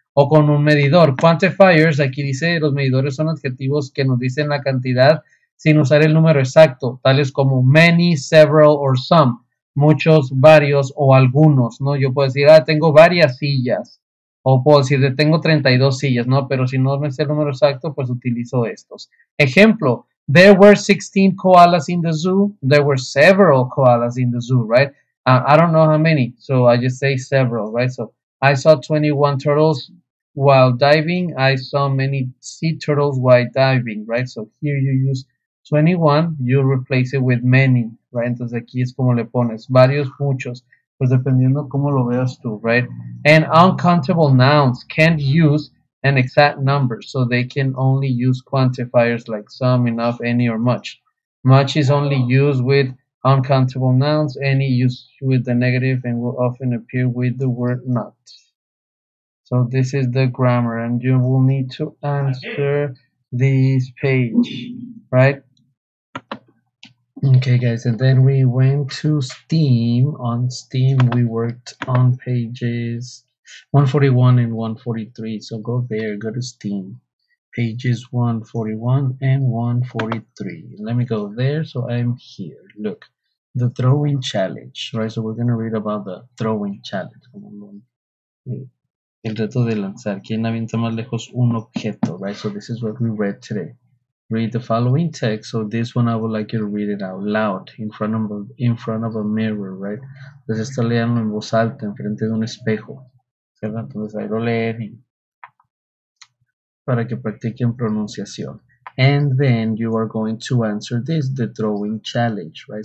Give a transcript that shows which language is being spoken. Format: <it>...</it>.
<es>O con un medidor. Quantifiers, aquí dice, los medidores son adjetivos que nos dicen la cantidad sin usar el número exacto, tales como</es> <en>many, several, or some.</en> <es>Muchos, varios o algunos, ¿no? Yo puedo decir, ah, tengo varias sillas. O puedo decir, tengo 32 sillas, ¿no? Pero si no es el número exacto, pues utilizo estos. Ejemplo,</es> <en>there were 16 koalas in the zoo. There were several koalas in the zoo, right? I don't know how many, so I just say several, right? So I saw 21 turtles while diving. I saw many sea turtles while diving, right? So here you use 21, you replace it with many.</en> <es>Right, entonces aquí es como le pones, varios, muchos, pues dependiendo cómo lo veas tú,</es> <en>right? And uncountable nouns can't use an exact number, so they can only use quantifiers like some, enough, any, or much. Much is only used with uncountable nouns, any used with the negative, and will often appear with the word not. So this is the grammar, and you will need to answer this page, right? Okay, guys, and then we went to STEAM. On STEAM, we worked on pages 141 and 143. So go there, go to STEAM. Pages 141 and 143. Let me go there. So I'm here. Look, the throwing challenge, right? So we're going to read about the throwing challenge.</en> <es>El reto de lanzar. ¿Quién avienta más lejos un objeto,</es> <en>right? So this is what we read today. Read the following text. So this one, I would like you to read it out loud in front of a mirror, right?</en> <es>Entonces esto leanlo en voz alta, en frente de un espejo. Entonces ahí lo leen para que practiquen pronunciación.</es> <en>And then you are going to answer this, the drawing challenge, right?</en>